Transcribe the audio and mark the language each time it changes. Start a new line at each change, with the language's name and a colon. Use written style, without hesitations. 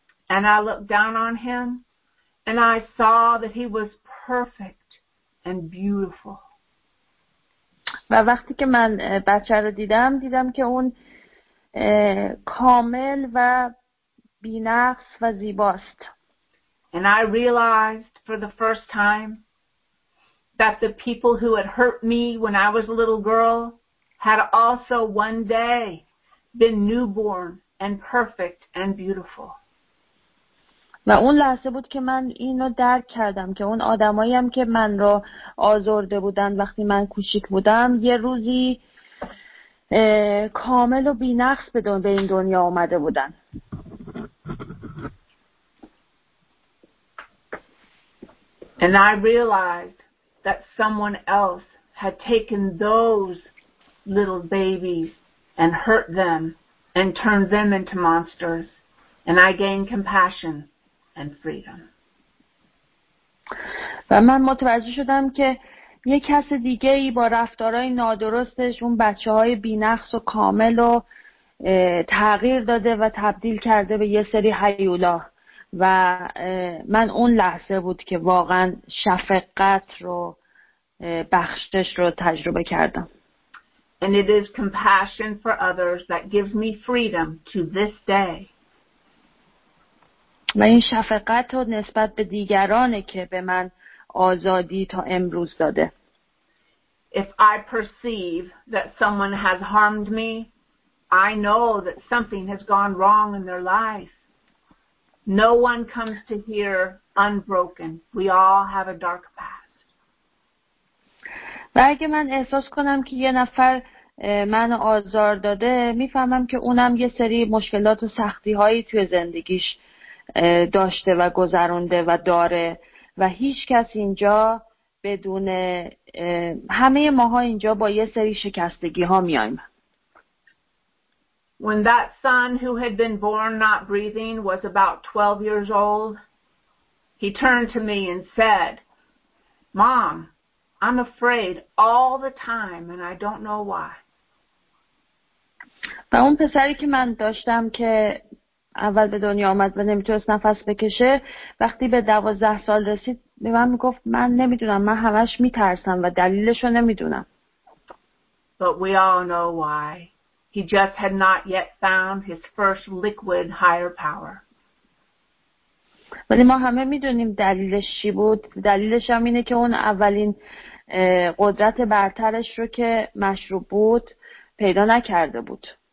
English: And I looked down on him and I saw that he was perfect and beautiful.
Persian: و وقتی که من بچه رو دیدم، دیدم که اون کامل و بی‌نقص و زیباست.
English: And I realized for the first time that the people who had hurt me when I was a little girl had also one day been newborn and perfect and beautiful.
Persian: و اون لحظه بود که من اینو درک کردم که اون آدمایی هم که من رو آزرده بودن وقتی من کوچیک بودم یه روزی کامل و بی‌نقص به این دنیا آمده بودن.
English: And I realized that someone else had taken those little babies and hurt them and turned them into monsters, and I gained compassion and freedom.
Persian: و من متوجه شدم که یک کس دیگه ای با رفتارهای نادرستش اون بچه های بی نقص و کامل رو تغییر داده و تبدیل کرده به یه سری هیولا و من اون لحظه بود که واقعا شفقت رو بخشش رو تجربه کردم.
English: And it is compassion for others that gives me freedom to this day.
Persian: و این شفقت رو نسبت به دیگرانه که به من آزادی تا امروز داده.
English: If I perceive that someone has harmed me, I know that something has gone wrong in their life. No one comes to here unbroken. We all have a dark past.
Persian: و اگه من احساس کنم که یه نفر من آزار داده، میفهمم که اونم یه سری مشکلات و سختی هایی توی زندگیش داشته و گذرونده و داره و هیچ کس اینجا بدون همه ماها اینجا با یه سری شکستگی ها میایم.
English: When that son who had been born not breathing was about 12 years old, he turned to me and said, "Mom, I'm afraid all the time and I don't know why."
Persian: و اون پسری که من داشتم که اول به دنیا آمد و نمیتونست نفس بکشه وقتی به 12 سال رسید به من میگفت من نمیدونم من همش میترسم و دلیلشو نمیدونم.
English: But we all know why. He just had not yet found his first liquid higher power.
Persian: ولی ما همه میدونیم دلیلش چی بود. دلیلش هم اینه که اون اولین قدرت برترش رو که مشروب بود پیدا نکرده بود.